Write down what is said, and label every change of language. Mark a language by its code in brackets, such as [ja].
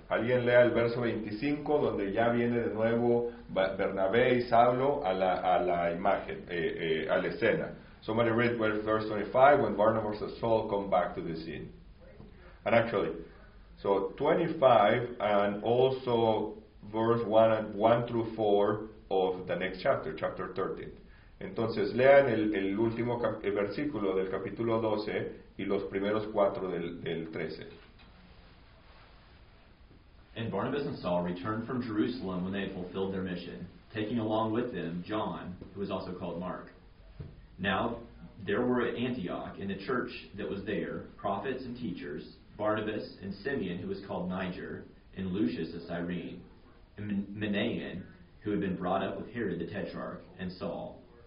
[es] Alguien lea el verso 25, donde ya viene de nuevo Bernabé y Saulo a la imagen, a la escena. [en] Somebody read verse 25, when Barnabas and Saul come back to the scene. And actually, so 25 and also verse 1 through 4 of the next chapter, chapter 13. [es] Entonces, lean el último el versículo del capítulo 12 y los primeros 4 del 13. [en] And Barnabas and Saul returned from Jerusalem when they had fulfilled their mission, taking along with them John, who was also called Mark. Now, there were at Antioch, in the church that was there, prophets and teachers, Barnabas and Simeon, who was called Niger, and Lucius of Cyrene, and Manaen, who had been brought up with Herod the Tetrarch, and Saul.